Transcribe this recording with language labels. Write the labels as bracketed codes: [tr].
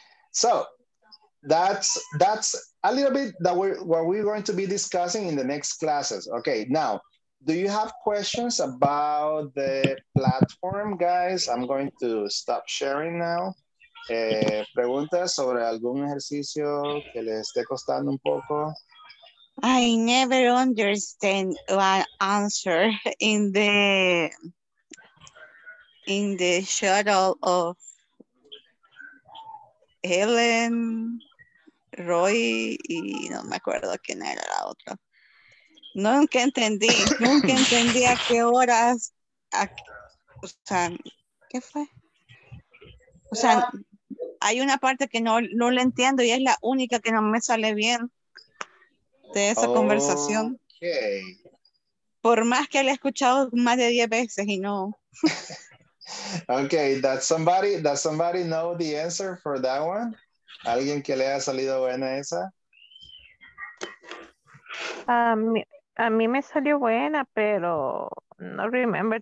[en] So that's a little bit that we're going to be discussing in the next classes. Okay, now, do you have questions about the platform, guys? I'm going to stop sharing now. [es] Preguntas sobre algún ejercicio que les esté costando un poco. [en] I never understand one answer in the shuttle of Helen, Roy, [es] y no me acuerdo quién era la otra. Nunca entendí a qué horas, o sea, ¿qué fue? O sea, hay una parte que no la entiendo y es la única que no me sale bien de esa conversación. [en] Okay. [es] Por más que la he escuchado más de 10 veces y no. [en] Okay, does somebody know the answer for that one? [es] ¿Alguien que le ha salido buena esa? A mí me salió buena, pero no [en] remember.